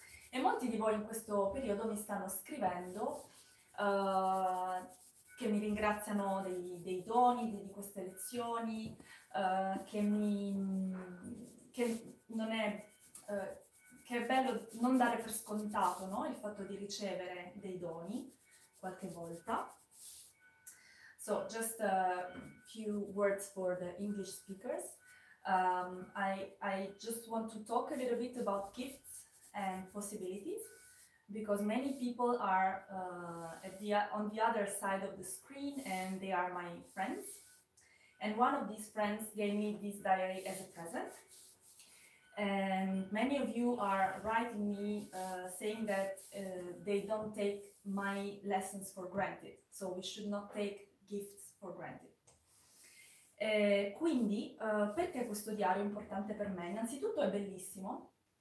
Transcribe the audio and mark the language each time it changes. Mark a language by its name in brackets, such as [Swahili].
[Italian] E molti di voi in questo periodo mi stanno scrivendo che mi ringraziano dei doni, di queste lezioni, che non è, che è bello non dare per scontato, no? Il fatto di ricevere dei doni qualche volta. [English] So, just a few words for the English speakers. I just want to talk a little bit about gifts and possibilities because many people are on the other side of the screen and they are my friends. And one of these friends gave me this diary as a present. And many of you are writing me saying that they don't take my lessons for granted. So we should not take gifts for granted. [Italian] Quindi, perché questo diario è importante per me? Innanzitutto è bellissimo.